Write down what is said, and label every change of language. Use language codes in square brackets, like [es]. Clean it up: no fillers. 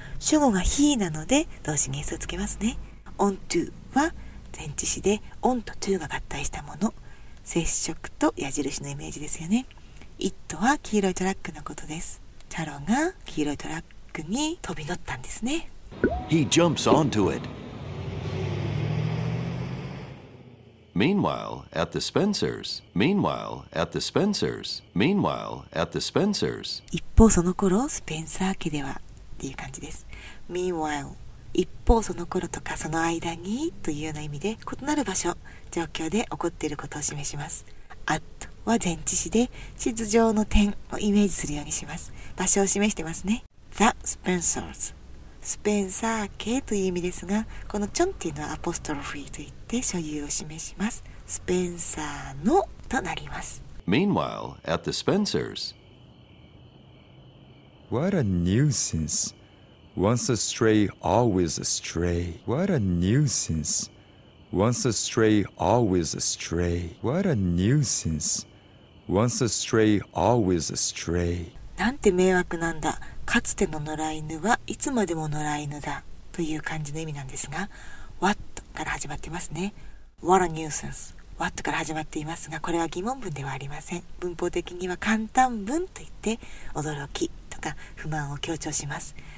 [ja] 主語が He なので、動詞に S をつけますね。onto は前置詞で、 on と to が合体したもの、接触と矢印のイメージですよね。 it は黄色いトラックのことです。チャロが黄色いトラックに飛び乗ったんですね。 [en] He jumps onto it. Meanwhile at the Spencers. Meanwhile at the Spencers. Meanwhile at the Spencers. [ja] 一方その頃、スペンサー家ではっていう感じです。 Meanwhile、一方その頃とか、その間にというような意味で、異なる場所、状況で起こっていることを示します。 at は前置詞で、地図上の点をイメージするようにします。場所を示してますね。The Spencers、 スペンサー家という意味ですが、このチョンっていうのはアポストロフィーといって、所有を示します。スペンサーのとなります。 [en] Meanwhile at the Spencers。 What a nuisance. Once a stray, always a stray. What a nuisance. Once a stray, always a stray. What a nuisance. Once a stray, always a stray. [ja] なんて迷惑なんだ。かつての野良犬はいつまでも野良犬だという感じの意味なんですが、 What から始まってますね。 [en] What a nuisance。 [ja] What から始まっていますが、これは疑問文ではありません。文法的には感嘆文といって、驚きとか不満を強調します。